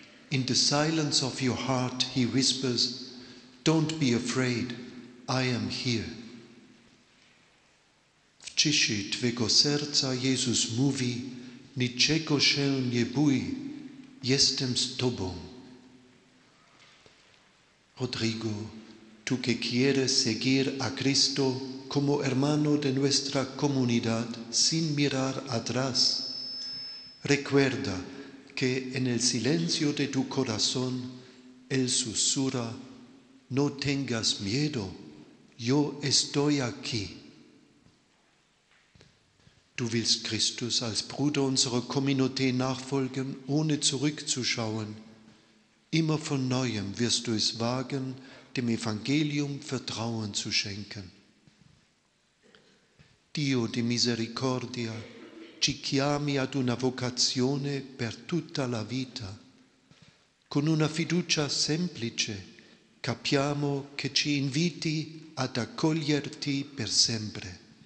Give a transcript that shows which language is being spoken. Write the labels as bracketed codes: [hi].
[en] In the silence of your heart, he whispers, Don't be afraid, I am here. [pl] V ciszy twego serca Jezus mówi, niczego się nie bój, jestem z tobą. [es] Rodrigo, tú que quieres seguir a Cristo como hermano de nuestra comunidad sin mirar atrás, recuerda que en el silencio de tu corazón, Él susurra, no tengas miedo, yo estoy aquí. [de] Du willst Christus als Bruder unserer Community nachfolgen, ohne zurückzuschauen. Immer von Neuem wirst du es wagen, dem Evangelium Vertrauen zu schenken. [it] Dio di misericordia, ci chiami ad una vocazione per tutta la vita. Con una fiducia semplice, capiamo che ci inviti ad accoglierti per sempre.